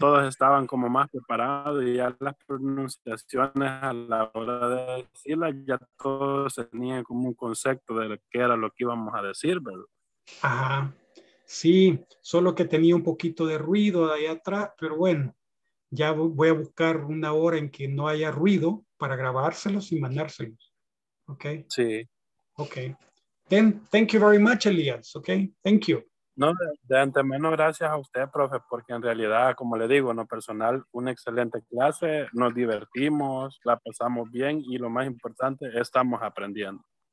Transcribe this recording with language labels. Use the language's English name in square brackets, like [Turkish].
[Spanish] Todos estaban como más preparados y ya las pronunciaciones a la hora de decirlas, ya todos tenían como un concepto de qué era lo que íbamos a decir, ¿verdad? Ajá, sí, solo que tenía un poquito de ruido de ahí atrás, pero bueno, ya voy a buscar una hora en que no haya ruido para grabárselos y mandárselos, ¿ok? Sí. [English] Okay. Then thank you very much, Elias. Okay. Thank you. [Spanish] No, de antemano, gracias a usted, profe, porque en realidad, como le digo, en lo personal, una excelente clase, nos divertimos, la pasamos bien y lo más importante, estamos aprendiendo.